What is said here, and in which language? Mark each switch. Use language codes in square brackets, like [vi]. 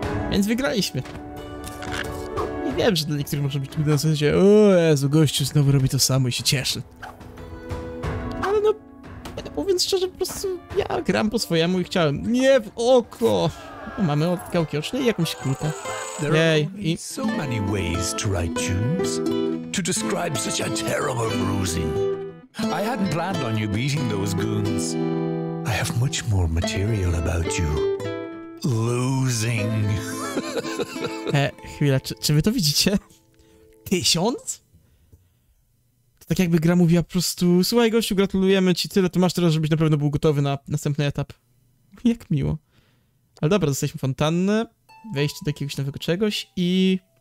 [pl] Więc wygraliśmy. I wiem, że dla niektórych może być w tym sensie, o Jezu, gościu znowu robi to samo i się cieszy. Ale no, mówiąc szczerze, po prostu ja gram po swojemu i chciałem. Nie w oko! No, mamy gałki oczne i jakąś kulkę. [en] So many ways to write tunes to describe such a terrible bruising. I hadn't planned on you beating those goons. I have much more material about you losing. [pl] chwila, czy wy to widzicie? 1000? To tak jakby gra mówiła po prostu: słuchaj gościu, gratulujemy ci, tyle to masz teraz, żebyś na pewno był gotowy na następny etap. Jak miło. Ale dobra, dostaliśmy fontannę. Wejść do jakiegoś nowego czegoś i...